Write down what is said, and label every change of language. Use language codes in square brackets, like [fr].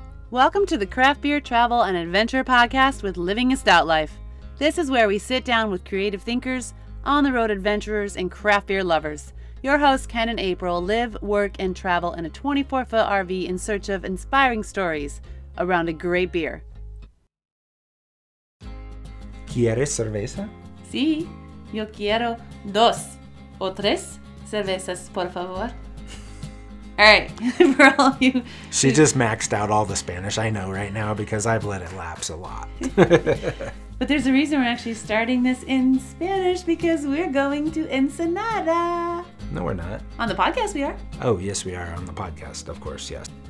[en] Welcome to the Craft Beer Travel and Adventure Podcast with Living a Stout Life. This is where we sit down with creative thinkers, on-the-road adventurers, and craft beer lovers. Your hosts, Ken and April, live, work, and travel in a 24-foot RV in search of inspiring stories around a great beer. [es] ¿Quieres cerveza? Sí, yo quiero dos o tres cervezas, por favor. [en] All right, for all you... She just maxed out all the Spanish I know right now because I've let it lapse a lot. But there's a reason we're actually starting this in Spanish, because we're going to Ensenada. No, we're not. On the podcast, we are. Oh, yes, we are on the podcast, of course, yes.